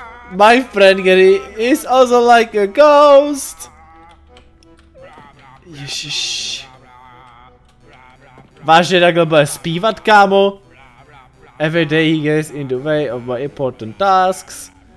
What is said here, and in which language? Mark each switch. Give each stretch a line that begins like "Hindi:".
English: My friend Gary is also like a ghost!
Czech: Ježiš. Vážně takhle bude zpívat, kámo?
English: Every day he gets in the way of my important tasks.